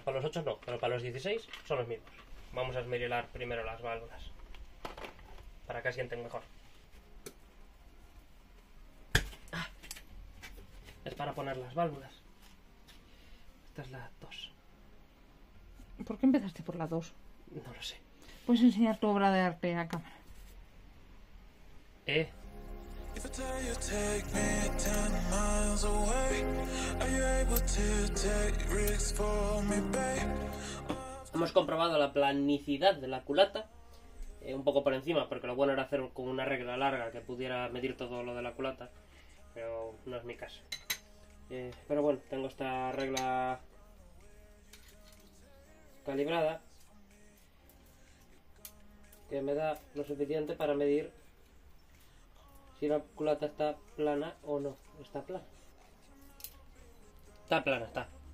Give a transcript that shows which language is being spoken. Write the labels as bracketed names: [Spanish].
[Spanish] Para los 8 no, pero para los 16 son los mismos. Vamos a esmerilar primero las válvulas, para que asienten mejor. Ah, es para poner las válvulas. Esta es la 2. ¿Por qué empezaste por la 2? No lo sé. Puedes enseñar tu obra de arte a cámara. [English] If I tell you take me 10 miles away, are you able to take risks for me, babe? [Spanish] Hemos comprobado la planicidad de la culata, un poco por encima, porque lo bueno era hacer con una regla larga que pudiera medir todo lo de la culata, pero no es mi caso. Pero bueno, tengo esta regla calibrada que me da lo suficiente para medir si la culata está plana o no. Está plana. Está plana, está.